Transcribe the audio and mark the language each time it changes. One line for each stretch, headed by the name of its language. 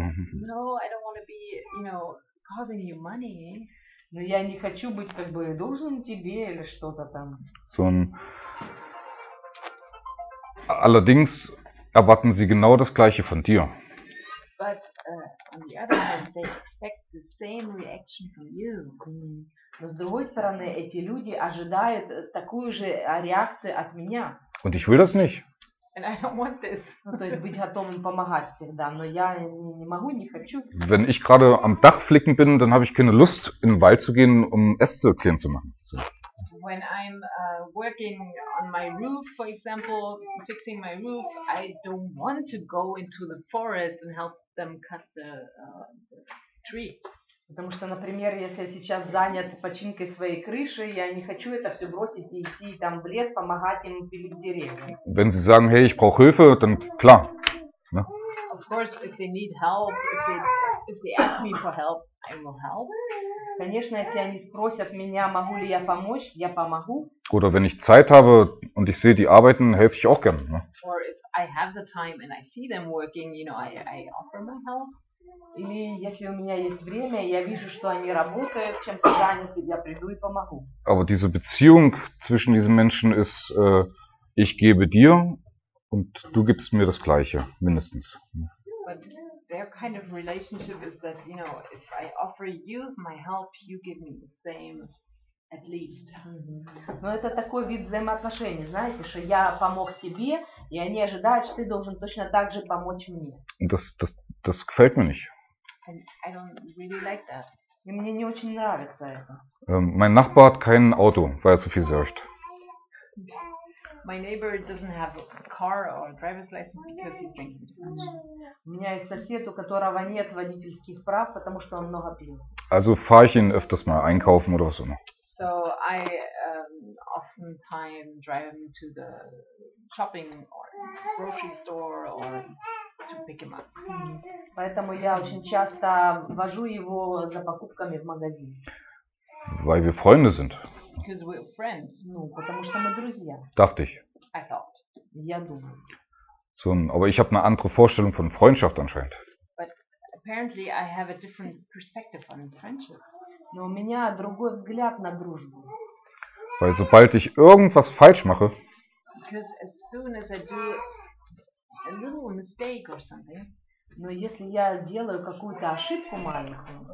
English: No, I don't want to be, you know, causing you money.
Russian: Но я не хочу быть как бы должен тебе или что-то там.
German: Allerdings erwarten sie genau das gleiche von dir.
English: But on the other hand, they expect the same reaction from you.
Russian: Но с другой стороны, эти люди ожидают такую же реакцию от меня.
German: Und ich will das nicht.
English: And I don't want this.
Russian: Ну, то есть быть готовым помогать всегда, но я не могу, не хочу.
German: Wenn ich gerade am Dach flicken bin, dann habe ich keine Lust, in den Wald zu gehen, um Äste clean zu machen. So.
English: When I'm working on my roof, for example, fixing my roof, I don't want to go into the forest and help them cut the tree.
Russian: Потому что, например, если я сейчас занят починкой своей крыши, я не хочу это все бросить и идти там в лес, помогать им пилить деревья.
German: Wenn sie sagen, hey, ich brauche Hilfe, dann klar. Ja.
English: Of course, if they need help, if they ask me for help, I will help.
Russian: Конечно, если они спросят меня, могу ли я помочь, я помогу.
German: Oder wenn ich Zeit habe und ich sehe, die arbeiten, helfe ich auch gern. Ja.
English: Or if I have the time and I see them working, you know, I offer my help.
Russian: Или если у меня есть время, я вижу, что они работают, чем-то заняты, я приду и помогу.
German: Aber diese Beziehung zwischen diesen Menschen ist, ich gebe dir und du gibst mir das Gleiche, mindestens.
English: But their kind of relationship is that, you know, if I offer you my help, you give me the same. At least.
Russian: Но это такой вид взаимоотношений, знаете, что я помог тебе, и они ожидают, что ты должен точно так же помочь мне.
German: Das gefällt mir nicht.
English: I don't really like that.
Russian: И мне не очень нравится это.
German: Mein Nachbar hat kein Auto, weil er so viel surft.
English: My neighbor doesn't have a car or a driver's license because he's drinking too much.
Russian: У меня есть сосед, у которого нет водительских прав, потому что он много пьет.
German: Also fahre ich ihn öfters mal einkaufen oder was auch immer.
English: So I oftentimes drive him to the shopping or grocery store or to pick him up.
Russian: Поэтому я очень часто вожу его за покупками в магазин.
German: Weil wir Freunde sind.
English: Because we're friends.
Russian: Ну, потому что мы друзья.
German: Dachte ich.
English: I thought.
Russian: Я думаю.
German: So, aber ich habe eine andere Vorstellung von Freundschaft anscheinend.
English: But apparently I have a different perspective on friendship.
Russian: Но у меня другой взгляд на дружбу.
German: Weil sobald ich irgendwas falsch mache,
English: as soon as I do a little mistake or something,
Russian: но если я делаю какую-то ошибку маленькую,